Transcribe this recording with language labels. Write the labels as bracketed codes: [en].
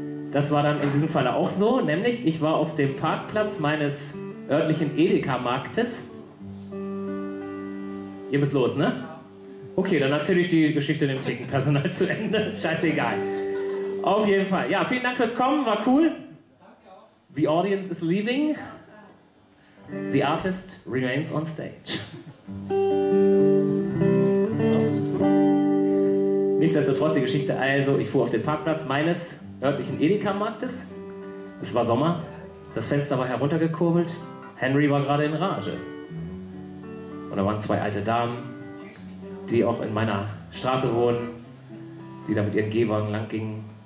[de] Das war dann in diesem Falle auch so, nämlich ich war auf dem Parkplatz meines örtlichen Edeka-Marktes. Ihr müsst los, ne? Okay, dann erzähle ich die Geschichte dem Thekenpersonal zu Ende. Scheißegal. Auf jeden Fall. Ja, vielen Dank fürs Kommen, war cool. [en] The audience is leaving. The artist remains on stage. [de] Nichtsdestotrotz die Geschichte. Also, ich fuhr auf den Parkplatz meines örtlichen Edeka-Marktes. Es war Sommer. Das Fenster war heruntergekurbelt. Henry war gerade in Rage. Und da waren zwei alte Damen, die auch in meiner Straße wohnen, die da mit ihren Gehwagen lang gingen.